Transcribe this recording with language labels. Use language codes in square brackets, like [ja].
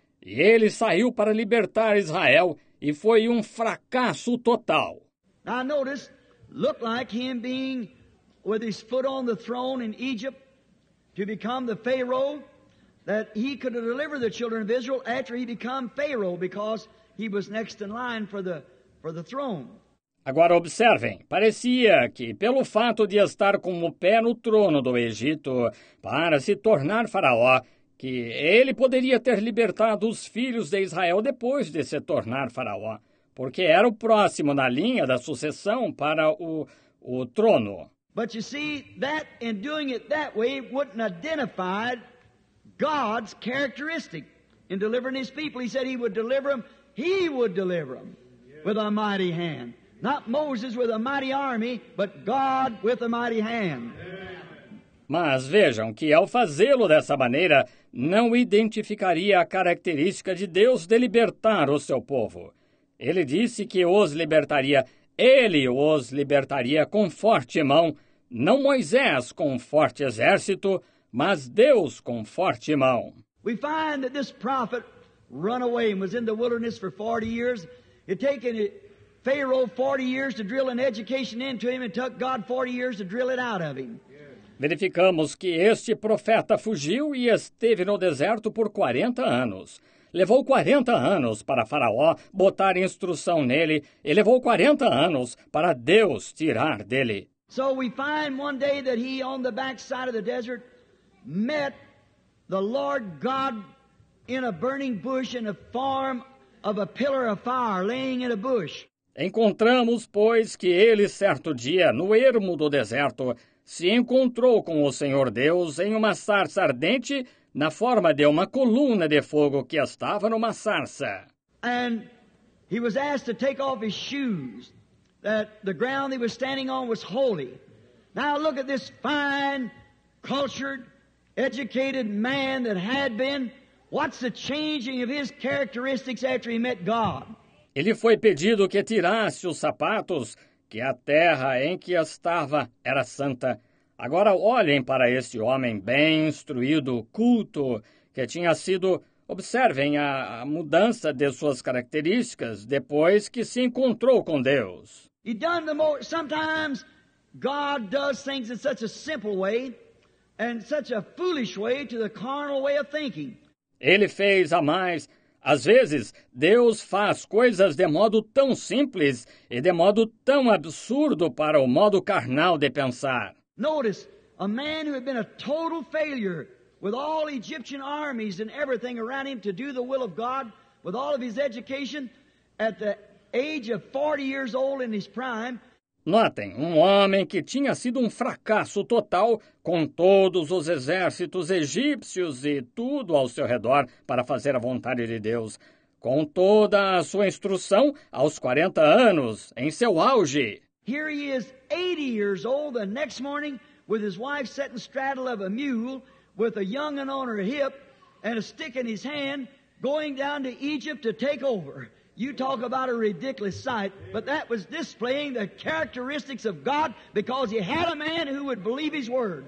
[pt] E ele saiu para libertar Israel e foi um fracasso total. [en] Now notice, looked like him being with his foot on the throne in Egypt to become the Pharaoh, that he could deliver the children of Israel after he became Pharaoh because he was next in line for the throne. [pt] Agora observem, parecia que pelo fato de estar com o pé no trono do Egito para se tornar faraó, que ele poderia ter libertado os filhos de Israel depois de se tornar faraó, porque era o próximo na linha da sucessão para o trono. [en] But you see, that in doing it that way wouldn't identify God's characteristic in delivering his people. He said he would deliver them with a mighty hand. Not Moses with a mighty army, but God with a mighty hand. [pt] Mas vejam que ao fazê-lo dessa maneira, não identificaria a característica de Deus de libertar o seu povo. Ele disse que ele os libertaria com forte mão, não Moisés com forte exército, mas Deus com forte mão. [en] We find that this prophet ran away and was in the wilderness for 40 years. It taken Pharaoh 40 years to drill an education into him and took God 40 years to drill it out of him. [pt] Verificamos que este profeta fugiu e esteve no deserto por 40 anos. Levou 40 anos para Faraó botar instrução nele e levou 40 anos para Deus tirar dele. [en] So we find one day that he on the back side of the desert met the Lord God in a burning bush in the form of a pillar of fire laying in a bush. [pt] Encontramos, pois, que ele certo dia, no ermo do deserto, se encontrou com o Senhor Deus em uma sarça ardente na forma de uma coluna de fogo que estava numa sarça. [en] And he was asked to take off his shoes, that the ground he was standing on was holy. Now look at this fine, cultured, educated man that had been. What's the changing of his characteristics after he met God? [pt] Ele foi pedido que tirasse os sapatos, que a terra em que estava era santa. Agora olhem para este homem bem instruído, culto, que tinha sido... Observem a mudança de suas características depois que se encontrou com Deus. [en] He done the most... Sometimes God does things in such a simple way and such a foolish way to the carnal way of thinking. [pt] Ele fez a mais... Às vezes, Deus faz coisas de modo tão simples e de modo tão absurdo para o modo carnal de pensar. [en] Notice, a man who had been a total failure with all Egyptian armies and everything around him to do the will of God, with all of his education, at the age of 40 years old in his prime. [pt] Notem, um homem que tinha sido um fracasso total com todos os exércitos egípcios e tudo ao seu redor para fazer a vontade de Deus, com toda a sua instrução aos 40 anos, em seu auge. [en] Here he is, 80 years old, the next morning, with his wife sitting straddle of a mule, with a young un on her hip and a stick in his hand, going down to Egypt to take over. You talk about a ridiculous sight, but that was displaying the characteristics of God because he had a man who would believe his word.